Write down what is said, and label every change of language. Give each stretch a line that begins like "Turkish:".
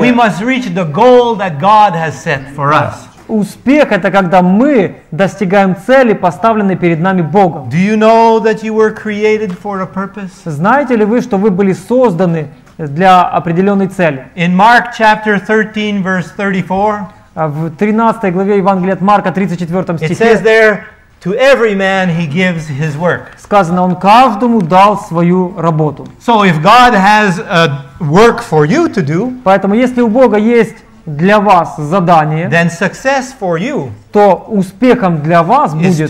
English: We must reach the goal that God has set for us.
Russian: Успех это когда мы достигаем цели, поставленной перед нами Богом.
English: Do you know that you were created for a purpose?
Russian: Знаете ли вы, что вы были созданы для определенной цели?
English: In Mark chapter 13 verse 34.
Russian: В 13 главе Евангелия от Марка 34 стихе.
English: It says there, to every man he gives his work.
Russian: Сказано, он каждому дал свою работу.
English: So if God has a work for you to do,
Russian: поэтому если у Бога есть для вас задание,
English: then success for you,
Russian: то успехом для вас будет